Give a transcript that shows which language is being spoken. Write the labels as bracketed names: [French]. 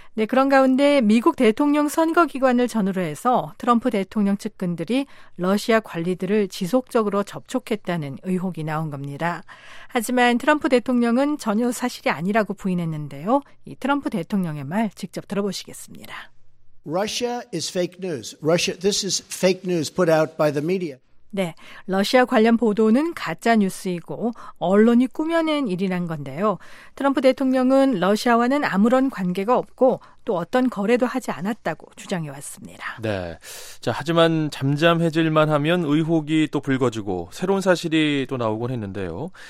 [Korean] 네, 그런 가운데 미국 대통령 선거기관을 전후로 해서 트럼프 대통령 측근들이 러시아 관리들을 지속적으로 접촉했다는 의혹이 나온 겁니다. 하지만 트럼프 대통령은 전혀 사실이 아니라고 부인했는데요. 이 트럼프 대통령의 말 직접 들어보시겠습니다. [English] Russia is fake news. Russia, this is fake news put out by the media. [Korean] 네, 러시아 관련 보도는 가짜 뉴스이고 언론이 꾸며낸 일이란 건데요. 트럼프 대통령은 러시아와는 아무런 관계가 없고 또 어떤 거래도 하지 않았다고 주장해왔습니다. 네. 자, 하지만 잠잠해질만 하면 의혹이 또 불거지고 새로운 사실이 또 나오곤 했는데요.